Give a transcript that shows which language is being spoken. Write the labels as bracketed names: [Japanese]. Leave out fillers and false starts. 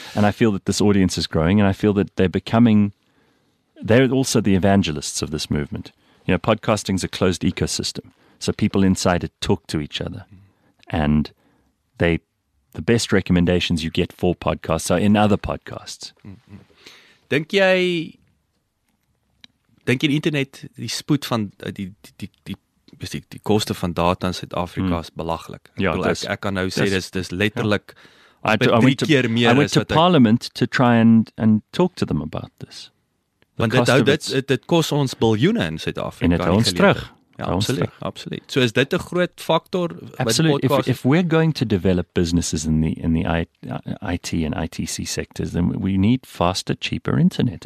[English] And I feel that this audience is growing, and I feel that they're becoming... They're also the evangelists of this movement. You know, podcasting is a closed ecosystem. So people inside it talk to each other. And the best recommendations you get for podcasts are in other podcasts. [Afrikaans] Dink jy die internet, die spoed van, die koste van data in Suid-Afrika is belaglik? Ja, ek kan nou sê, dis letterlik, [English] I went to Parliament to try and talk to them about this. [Afrikaans] Want dit kos ons biljoene in Suid-Afrika. En dit hou ons terug. Ja, absoluut. So is dit 'n groot faktor? Absoluut. [English] If we're going to develop businesses in the IT and ITC sectors, then we need faster, cheaper internet.